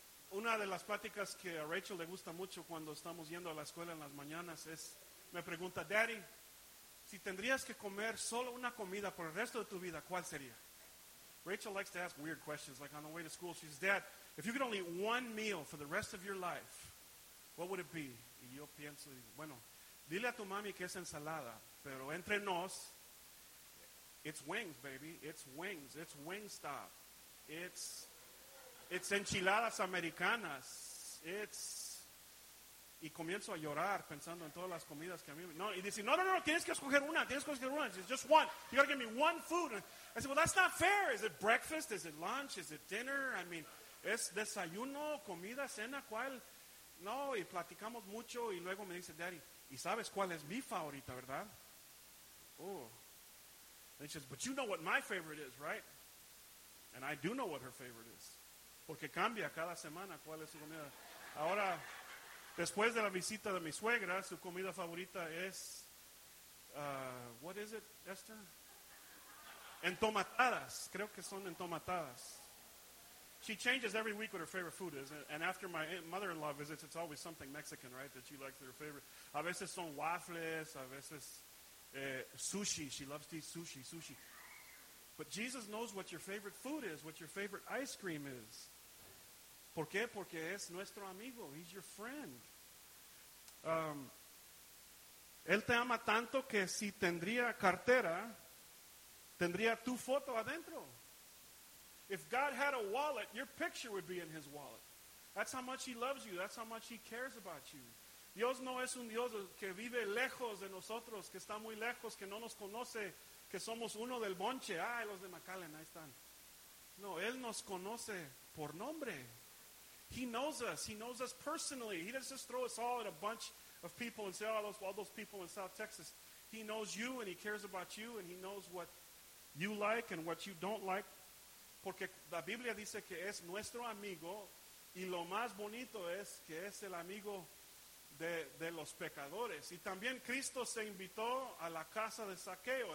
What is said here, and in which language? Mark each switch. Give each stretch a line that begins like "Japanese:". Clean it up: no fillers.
Spanish: Una de las pláticas que a Rachel le gusta mucho cuando estamos yendo a la escuela en las mañanas es, me pregunta, Daddy, si tendrías que comer solo una comida por el resto de tu vida, ¿cuál sería?
English: Rachel likes to ask weird questions, like on the way to school, she says, Dad, if you could only eat one meal for the rest of your life, what would it be?
Spanish: Y yo pienso, bueno, dile a tu mami que es ensalada, pero entre nos,
English: it's wings, baby, it's wings, it's Wingstop, it's enchiladas americanas, it's,
Spanish: y comienzo a llorar pensando en todas las comidas que a mí, no, y dice, no, tienes que escoger una,
English: it's just one, you gotta give me one food, I said, well, that's not fair, is it breakfast, is it lunch, is it dinner, I mean,
Spanish: es desayuno, comida, cena, cuál, no, y platicamos mucho, y luego me dice, Daddy, y sabes cuál es mi favorita, ¿verdad?
English: Oh, and she says, but you know what my favorite is, right? And I do know what her favorite is.
Spanish: Porque cambia cada semana cuál es su comida. Ahora, después de la visita de mi suegra, su comida favorita es,
English: what is it, Esther?
Spanish: Entomatadas. Creo que son entomatadas.
English: She changes every week what her favorite food is. And after my mother-in-law visits, it's always something Mexican, right, that she likes her favorite.
Spanish: A veces son waffles, a veces sushi.
English: She loves to eat sushi. But Jesus knows what your favorite food is, what your favorite ice cream is.
Spanish: ¿Por qué? Porque es nuestro amigo.
English: He's your friend.
Spanish: Él te ama tanto que si tendría cartera, tendría tu foto adentro.
English: If God had a wallet, your picture would be in his wallet. That's how much he loves you. That's how much he cares about you.
Spanish: Dios no es un Dios que vive lejos de nosotros, que está muy lejos, que no nos conoce, que somos uno del bonche. Ay, los de McAllen, ahí están. No, Él nos conoce por nombre.
English: He knows us. He knows us personally. He doesn't just throw us all at a bunch of people and say, oh, all those people in South Texas. He knows you and he cares about you and he knows what you like and what you don't like.
Spanish: Porque la Biblia dice que es nuestro amigo Y lo más bonito es que es el amigo de los pecadores. Y también Cristo se invitó a la casa de Zaqueo.